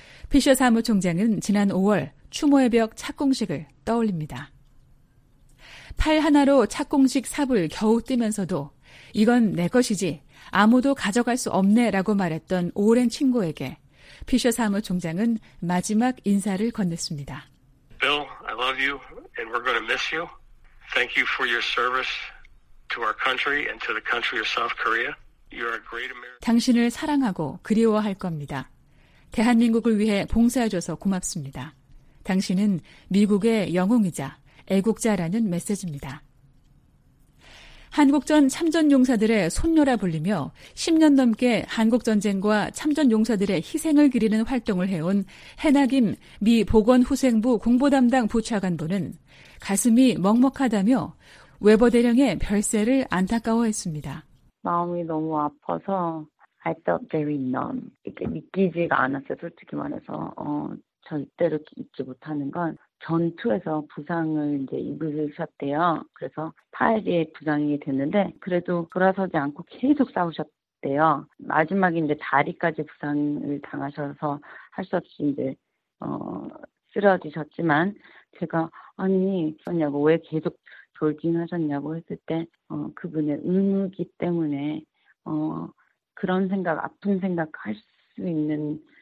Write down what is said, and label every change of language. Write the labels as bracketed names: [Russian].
[Korean] 피셔 사무총장은 지난 5월 추모의 벽 착공식을 떠올립니다. 팔 하나로 착공식 삽을 겨우 뛰면서도 이건 내 것이지 아무도 가져갈 수 없네라고 말했던 오랜 친구에게 피셔 사무총장은 마지막 인사를 건넸습니다. [English] Bill, I love you and we're going to miss you. Thank you for your service to our country and to the country of South Korea. You are a great American. [Korean] 당신을 사랑하고 그리워할 겁니다. 대한민국을 위해 봉사해 줘서 고맙습니다. 당신은 미국의 영웅이자 애국자라는 메시지입니다. 한국전 참전용사들의 손녀라 불리며 10년 넘게 한국전쟁과 참전용사들의 희생을 기리는 활동을 해온 해나김 미 보건후생부 공보담당 부차관보는 가슴이 먹먹하다며 웨버 대령의 별세를 안타까워했습니다. 마음이 너무 아파서 [English] I felt very numb. [Korean] 이게 믿기지가 않았어요. 솔직히 말해서 절대로 잊지 못하는 건 전투에서 부상을 이제 입으셨대요. 그래서 팔에 부상이 됐는데 그래도 돌아서지 않고 계속 싸우셨대요. 마지막에 이제 다리까지 부상을 당하셔서 할 수 없이 이제 쓰러지셨지만 제가 아니 하셨냐고 왜 계속 돌진하셨냐고 했을 때 그분의 의무기 때문에 그런 생각 아픈 생각 할 수 있는